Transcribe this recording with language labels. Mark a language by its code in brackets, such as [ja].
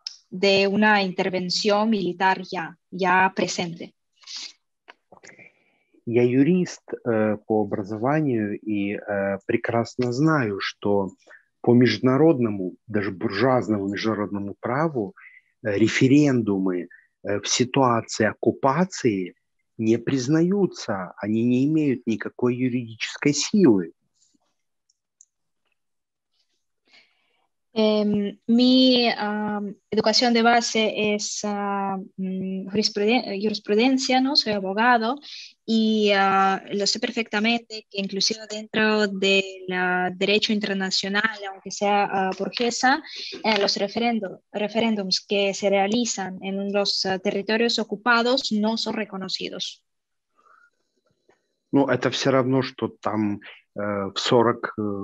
[es] de una intervención militar ya, ya presente. [ru] Я юрист по образованию и прекрасно знаю, что по международному, даже буржуазному международному праву, референдумы в ситуации оккупации не признаются, они не имеют никакой юридической силы. [es] Mi educación de base es jurisprudencia, ¿no? Soy abogado y lo sé perfectamente que inclusive dentro del derecho internacional, aunque sea burguesa, los referéndums que se realizan en los territorios ocupados no son reconocidos. [ru] No, это все равно, что там в 40...